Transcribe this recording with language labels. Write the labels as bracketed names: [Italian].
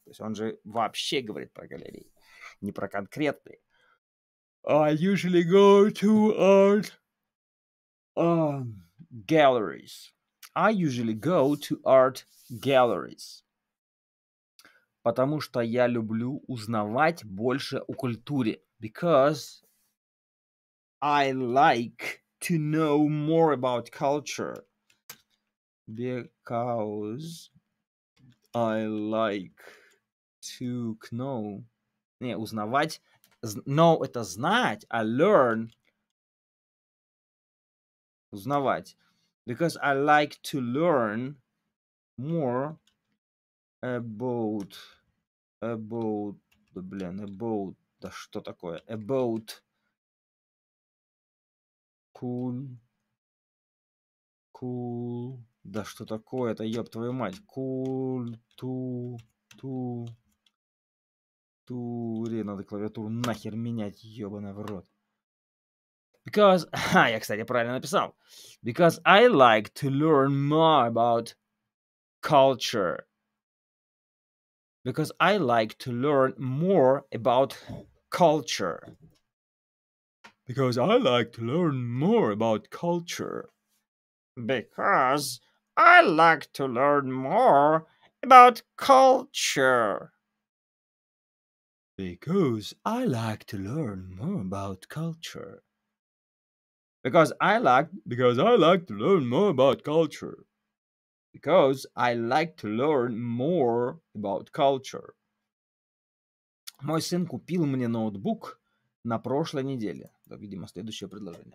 [Russian] То есть он же вообще говорит про галереи, не про конкретные. [English] I usually go to art galleries. I usually go to art galleries. [Russian] Потому что я люблю узнавать больше о культуре. [English] Because I like to know more about culture. Because I like to know. [Russian] Не, узнавать. Know — это знать, а learn. [English] узнавать. Because I like to learn more about... About... [Russian] Да, блин, about... Да что такое? About... Cool... Cool... Да что такое? Это, ёб твою мать. Cool... Ту... Ту... Тури, надо клавиатуру нахер менять, ёбаный в рот. [English] Because... [Russian] Ха, я, кстати, правильно написал. [English] Because I like to learn more about culture. Because I like to learn more about culture. Because I like to learn more about culture. Because I like to learn more about culture. Because I like to learn more about culture. Because I like to learn more about culture. Because I like to learn more about culture. [Russian] Мой сын купил мне ноутбук на прошлой неделе. Да, видимо, следующее предложение.